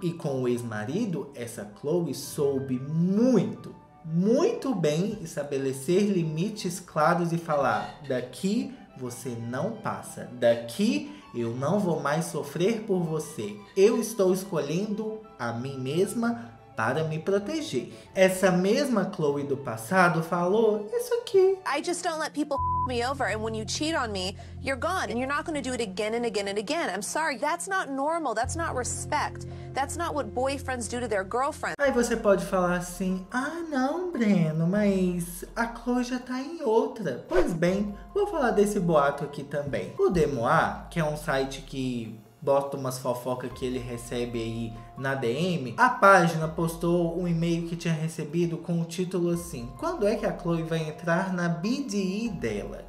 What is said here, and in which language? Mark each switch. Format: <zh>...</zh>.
<pt>E com o ex-marido, essa Chloe soube muito, muito bem estabelecer limites claros e falar: daqui você não passa, daqui eu não vou mais sofrer por você, eu estou escolhendo a mim mesma para me proteger. Essa mesma Chloe do passado falou isso aqui:</pt> <en>I just don't let people f*** me over, and when you cheat on me, you're gone, and you're not going to do it again and again and again. I'm sorry, that's not normal, that's not respect, that's not what boyfriends do to their girlfriends.</en> <pt>Aí você pode falar assim: ah não, Breno, mas a Chloe já tá em outra. Pois bem, vou falar desse boato aqui também. O Demoir, que é um site que bota umas fofocas que ele recebe aí na DM, a página postou um e-mail que tinha recebido com o título assim: quando é que a Chloe vai entrar na BDE dela?</pt>